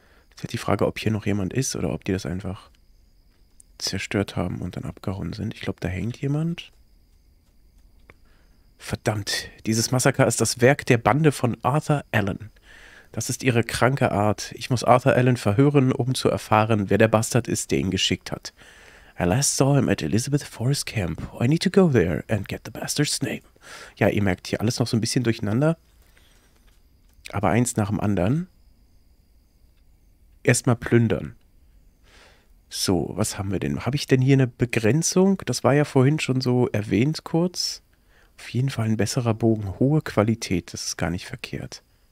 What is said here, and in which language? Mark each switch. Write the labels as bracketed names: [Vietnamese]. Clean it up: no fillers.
[German] Jetzt ist die Frage, ob hier noch jemand ist oder ob die das einfach zerstört haben und dann abgehauen sind. Ich glaube, da hängt jemand. Verdammt, dieses Massaker ist das Werk der Bande von Arthur Allen. Das ist ihre kranke Art. Ich muss Arthur Allen verhören, um zu erfahren, wer der Bastard ist, der ihn geschickt hat. [English] I last saw him at Elizabeth Forest Camp. I need to go there and get the bastard's name. [German] Ja, ihr merkt hier alles noch so ein bisschen durcheinander. Aber eins nach dem anderen. Erstmal plündern. So, was haben wir denn? Habe ich denn hier eine Begrenzung? Das war ja vorhin schon so erwähnt kurz. Auf jeden Fall ein besserer Bogen. Hohe Qualität, das ist gar nicht verkehrt.